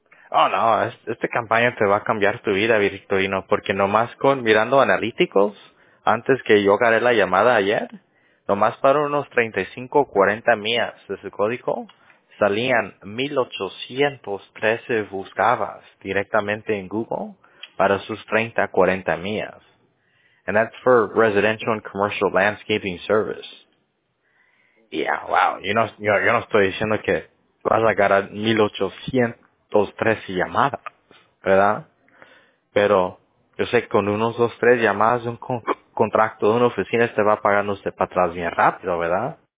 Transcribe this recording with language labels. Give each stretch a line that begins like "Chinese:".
Spanish: Oh, no, esta campaña te va a cambiar tu vida, Victorino, porque nomás con mirando analíticos, antes que yo agarré la llamada ayer, nomás para unos 35 o 40 millas de su código, salían 1813 buscadas directamente en Google para sus 30 o 40 millas.
English: And that's for residential and commercial landscaping service. Yeah, wow.
Spanish: Yo no estoy diciendo que vas a agarrar 1813 llamadas, ¿verdad? Pero yo sé que con unos 2-3 llamadas de un contrato de una oficina te va pagando usted para atrás bien rápido, ¿verdad?